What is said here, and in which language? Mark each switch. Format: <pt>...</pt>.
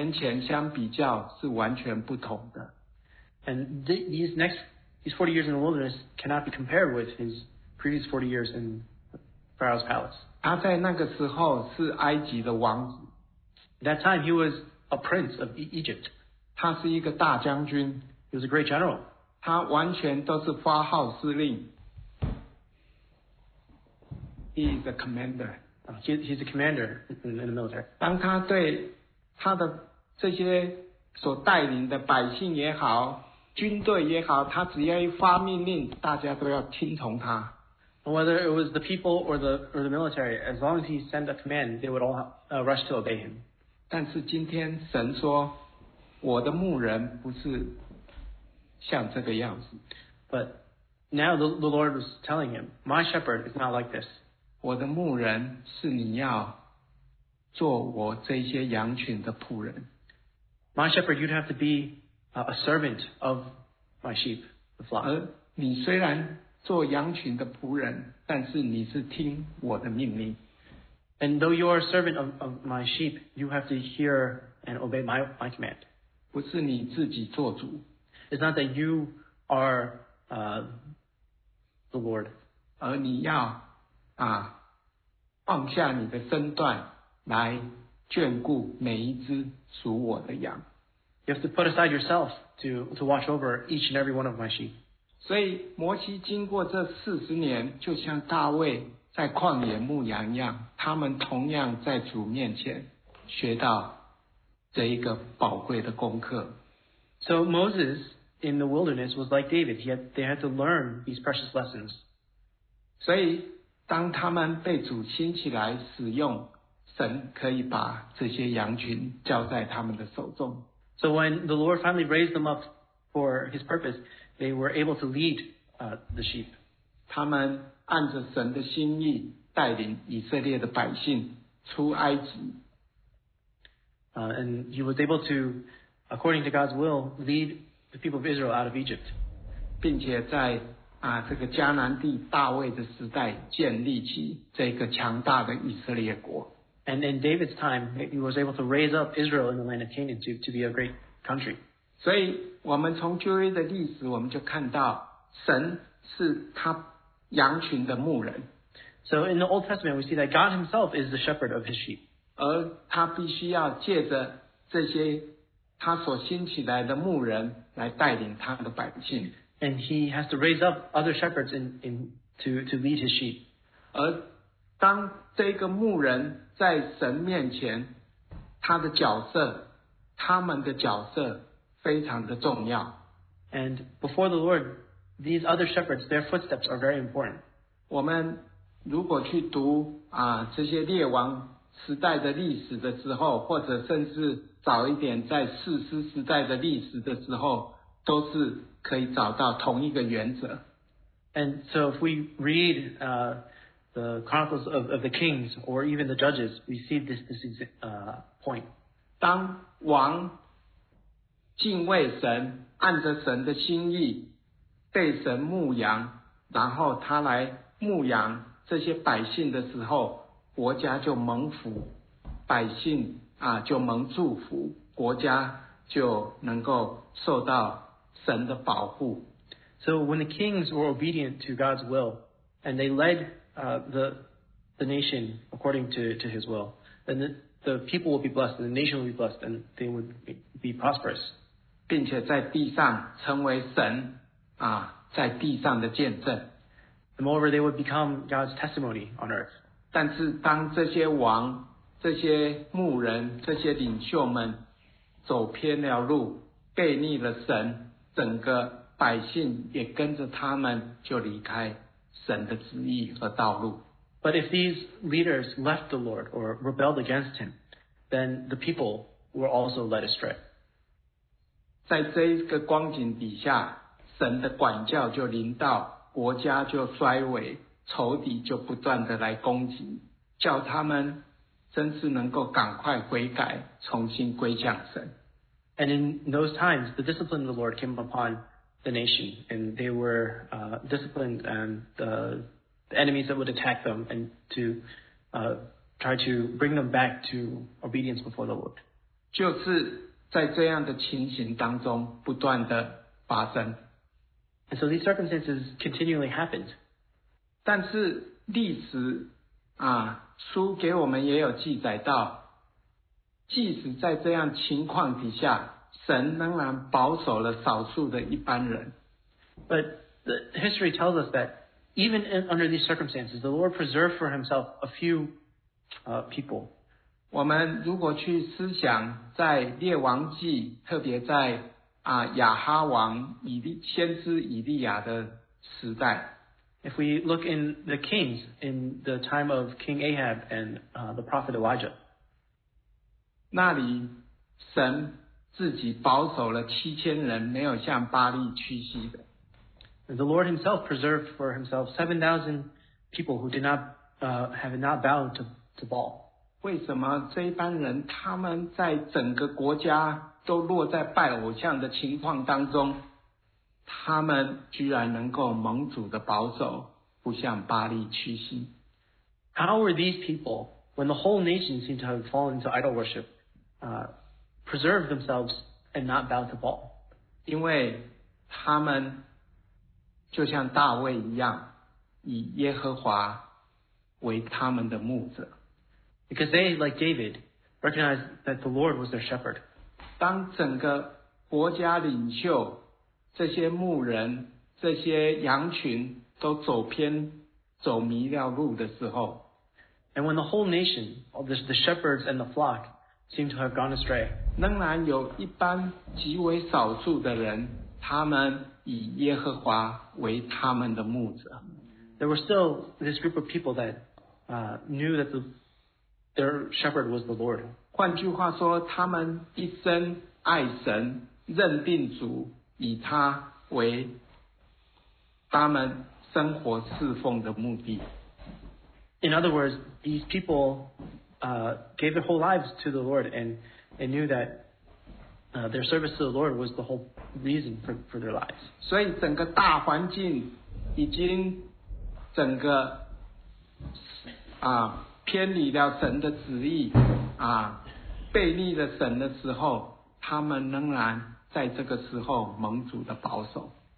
<zh>这在跟他40年前相比较是完全不同的。</zh> <en>And these 40 years in the wilderness cannot be compared with his previous 40 years in Pharaoh's palace.</en> <zh>他在那个时候是埃及的王子。</zh> <en>That time he was a prince of Egypt.</en> <zh>他是一个大将军。</zh> <en>He was a great general.</en> <zh>他完全都是发号施令。</zh> <en>He's a commander. He's a commander in the military.</en> <zh>当他对他的这些所带领的百姓也好, 军队也好,他只要一发命令,大家都要听从他。</zh> <en>Whether it was the people or the military, as long as he sent a command, they would all rush to obey him.</en> <zh>但是今天神说, 我的牧人不是, 像这个样子。</zh> <en>But now the Lord was telling him, my shepherd is not like this.</en> <zh>我的牧人是你要做我这些羊群的仆人。</zh> <en>My shepherd, you'd have to be a servant of my sheep, the flock.</en> <zh>而你虽然做羊群的仆人，但是你是听我的命令。</zh> <en>And though you are a servant of my sheep, you have to hear and obey my command.</en> <zh>不是你自己做主。</zh> <en>It's not that you are the Lord.</en> <zh>而你要放下你的身段来眷顾每一只属我的羊。</zh> <en>You have to put aside yourself to watch over each and every one of my sheep.</en> <zh>所以摩西经过这四十年，就像大卫在旷野牧羊一样，他们同样在主面前学到这一个宝贵的功课。</zh> <en>So Moses in the wilderness was like David. They had to learn these precious lessons.</en> <zh>所以当他们被主兴起来使用，神可以把这些羊群交在他们的手中。</zh> <en>So when the Lord finally raised them up for his purpose, they were able to lead the sheep.</en> <zh>他们按着神的心意带领以色列的百姓出埃及。</zh> <en>And he was able to, according to God's will, lead the people of Israel out of Egypt.</en> <zh>并且在这个迦南地大卫的时代建立起这个强大的以色列国。</zh> <en>And in David's time, he was able to raise up Israel in the land of Canaan to be a great country.</en> <zh>所以我们从旧约的历史我们就看到神是他羊群的牧人。</zh> <en>So in the Old Testament, we see that God himself is the shepherd of his sheep.</en> <zh>而他必须要借着这些他所兴起来的牧人来带领他的百姓。</zh> <en>And he has to raise up other shepherds to lead his sheep.</en> <zh>而当这个牧人在神面前，他的角色，他们的角色非常的重要。</zh> <en>And before the Lord, these other shepherds, their footsteps are very important.</en> <zh>我们如果去读这些列王时代的历史的时候，或者甚至早一点在士师时代的历史的时候，都是可以找到同一个原则。</zh> <en>And so if we read the Chronicles of the Kings or even the Judges, we see this is point.</en> <zh>当王敬畏神，按着神的心意被神牧养，然后他来牧养这些百姓的时候，国家就蒙福，百姓就蒙祝福，国家就能够受到神的保护。</zh> <en>So when the kings were obedient to God's will and they led the nation according to his will, then the people will be blessed, and the nation will be blessed, and they would be prosperous.</en> <zh>并且在地上成为神在地上的见证。</zh> <en>And moreover, they would become God's testimony on earth.</en> <zh>但是当这些王、这些牧人、这些领袖们走偏了路，背逆了神，整个百姓也跟着他们就离开神的旨意和道路。</zh> <en>But if these leaders left the Lord or rebelled against him, then the people were also led astray.</en> <zh>在这个光景底下，神的管教就临到，国家就衰微，仇敌就不断的来攻击，叫他们真是能够赶快悔改，重新归向神。</zh> <en>And in those times, the discipline of the Lord came upon the nation, and they were disciplined, and the enemies that would attack them and to try to bring them back to obedience before the Lord.</en> <zh>就是在这样的情形当中不断的发生。</zh> <en>And so these circumstances continually happened.</en> <zh>但是历史书给我们也有记载到，即使在这样情况底下，神仍然保守了少数的一般人。</zh> <en>But the history tells us that even under these circumstances, the Lord preserved for himself a few people.</en> <zh>我们如果去思想在列王记，特别在亚哈王先知以利亚的时代。</zh> <en>If we look in the kings, in the time of King Ahab and the prophet Elijah,</en> <zh>那里神自己保守了七千人，没有向巴利屈膝的。</zh> <en>The Lord Himself preserved for Himself 7,000 people who did not have not bowed to Baal.</en> <zh>为什么这帮人他们在整个国家都落在拜偶像的情况当中，他们居然能够蒙主的保守，不向巴利屈膝？</zh> <en>How were these people, when the whole nation seemed to have fallen into idol worship, preserve themselves and not bow to Baal?</en> <zh>因为他们就像大卫一样，以耶和华为他们的牧者。</zh> <en>Because they, like David, recognized that the Lord was their shepherd.</en> <zh>当整个国家领袖、这些牧人、这些羊群都走偏、走迷了路的时候，</zh> <en>And when the whole nation, the shepherds and the flock, seemed to have gone astray,</en> <zh>仍然有一般极为少数的人，他们以耶和华为他们的牧者。</zh> <en>There were still this group of people that knew that their shepherd was the Lord.</en> <zh>换句话说，他们一生爱神，认定主，以他为他们生活侍奉的目的。</zh> <en>In other words, these people gave their whole lives to the Lord and knew that their service to the Lord was the whole reason for their lives.</en> <zh>所以整个大环境已经整个偏离了神的旨意背离了神的时候，他们仍然在这个时候蒙主的保守。</zh>